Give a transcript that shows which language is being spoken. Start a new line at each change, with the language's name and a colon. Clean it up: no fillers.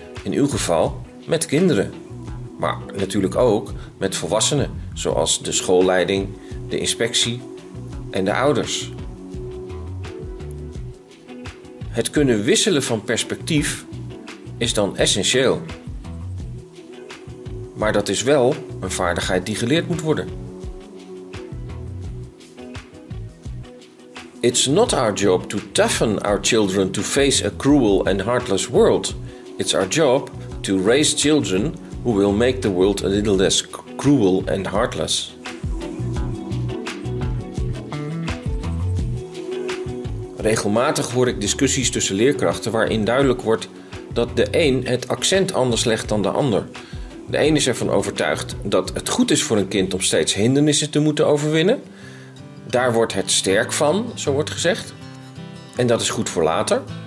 Dutch: In uw geval met kinderen. Maar natuurlijk ook met volwassenen, zoals de schoolleiding, de inspectie en de ouders. Het kunnen wisselen van perspectief is dan essentieel. Maar dat is wel een vaardigheid die geleerd moet worden.
English: It's not our job to toughen our children to face a cruel and heartless world. It's our job to raise children who will make the world a little less cruel and heartless.
Dutch: Regelmatig hoor ik discussies tussen leerkrachten waarin duidelijk wordt dat de een het accent anders legt dan de ander. De een is ervan overtuigd dat het goed is voor een kind om steeds hindernissen te moeten overwinnen. Daar wordt het sterk van, zo wordt gezegd. En dat is goed voor later.